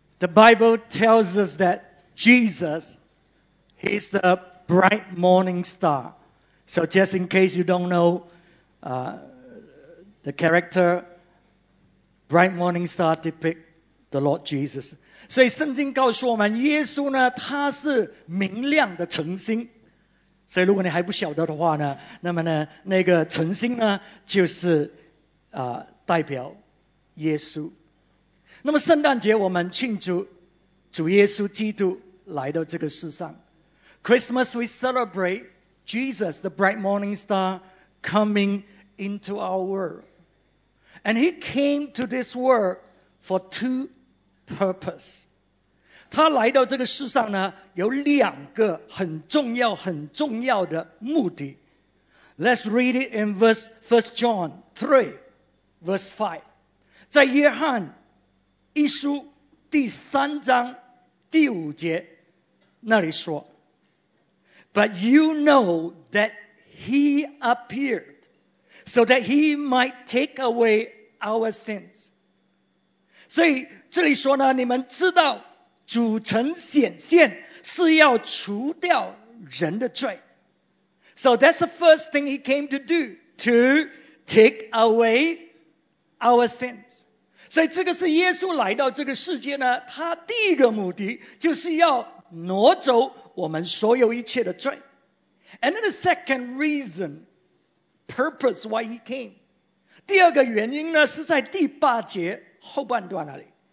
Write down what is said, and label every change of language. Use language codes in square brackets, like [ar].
[en] The Bible tells us that Jesus, He's the bright morning star. So just in case you don't know the character, bright morning star depicts the Lord Jesus. [zh] 所以圣经告诉我们，耶稣呢，他是明亮的晨星。所以如果你还不晓得的话呢，那么呢，那个晨星呢，就是代表耶稣。那么圣诞节我们庆祝主耶稣基督来到这个世上。 [en] Christmas we celebrate Jesus, the bright morning star, coming into our world. And he came to this world for two purposes. [zh] 他来到这个世上呢，有两个很重要、很重要的目的。 [en] Let's read it in First John 3, verse 5. [zh] 在约翰一书第三章第五节那里说， [en] But you know that he appeared so that he might take away our sins. [zh] 所以这里说呢，你们知道主曾显现是要除掉人的罪。 [en] So that's the first thing he came to do, to take away our sins. [zh] 所以这个是耶稣来到这个世界呢，他第一个目的就是要挪走我们所有一切的罪。 [en] And then the second reason, purpose why he came. [zh] 第二个原因呢，是在第八节后半段那里。